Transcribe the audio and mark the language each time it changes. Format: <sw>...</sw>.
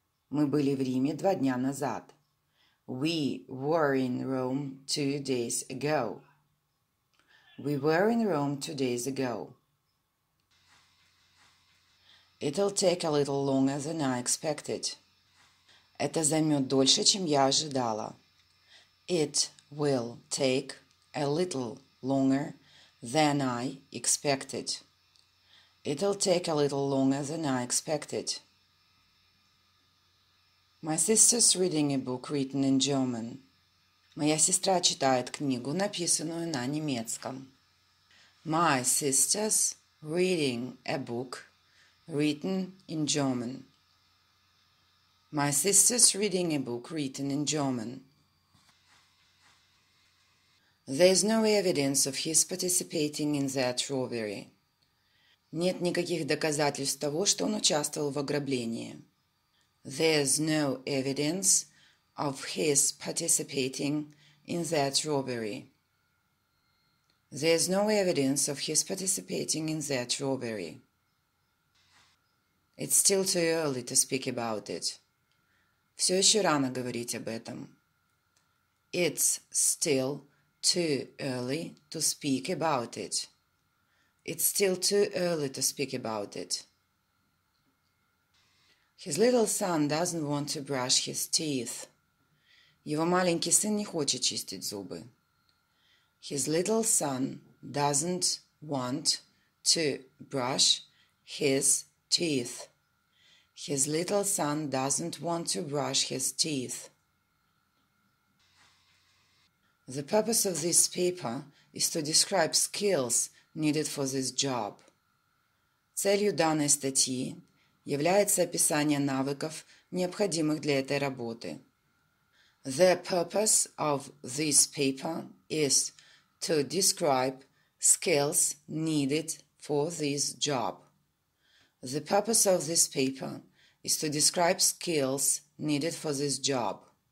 <ru>Мы были в Риме 2 дня назад.</ru> <en>We were in Rome 2 days ago. We were in Rome 2 days ago. It'll take a little longer than I expected.</en> <ru>Это займет дольше, чем я ожидала.</ru> <en>It will take a little longer than I expected. It'll take a little longer than I expected. My sister's reading a book written in German.</en> <ru>Моя сестра читает книгу, написанную на немецком.</ru> <en>My sister's reading a book written in German. My sister's reading a book written in German. There's no evidence of his participating in that robbery.</en> <ru>Нет никаких доказательств того, что он участвовал в ограблении.</ru> <en>There's no evidence of his participating in that robbery. There's no evidence of his participating in that robbery. It's still too early to speak about it.</en> <ru>Все еще рано говорить об этом.</ru> <en>It's still too early to speak about it. It's still too early to speak about it. His little son doesn't want to brush his teeth.</en> <ru>Его маленький сын не хочет чистить зубы.</ru> <en>His little son doesn't want to brush his teeth. His little son doesn't want to brush his teeth. The purpose of this paper is to describe skills needed for this job.</en> <ru>Целью данной статьи является описание навыков, необходимых для этой работы.</ru> <en>The purpose of this paper is to describe skills needed for this job. The purpose of this paper is to describe skills needed for this job.</en>